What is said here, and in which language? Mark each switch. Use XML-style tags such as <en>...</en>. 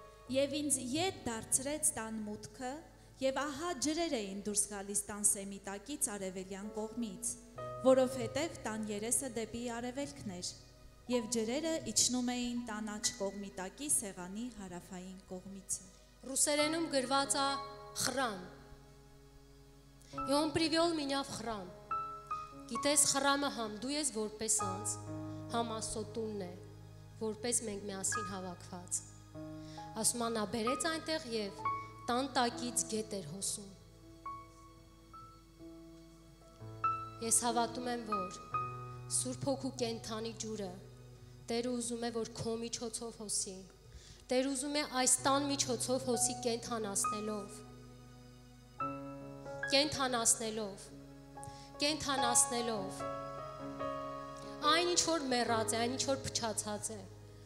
<hy>Եվ ինձ ետ դարձրեց տան մուտքը, և ահա ջրեր էին դուրս գալիս տան սեմիտակից արևելյան կողմից, որովհետև տան երեսը դեպի արևելքն էր, և ջրերը իջնում էին տան աջ կողմի տակի սեղանի հարավային կողմից։ Ռուսերենում գրված է խրամ։</hy> <ru>Ён привёл меня в храм.</ru> <hy>Գիտես խրամը համ դու ես որպես անձ, համ աստունն է, որպես մենք միասին հավաքված։ Ասում աննա բերեց այնտեղ և տան տակից գետ էր հոսում։ Ես հավատում եմ, որ Սուրբ Հոգու կենդանի ջուրը Տերը ուզում է, որ քո միջոցով հոսի, Տերը ուզում է այս տան միջոցով հոսի կենդանացնելով, կենդանացնելով, կենդանացնելով, այն ինչ որ մեռած է, այն ինչ որ փչացած է,</hy>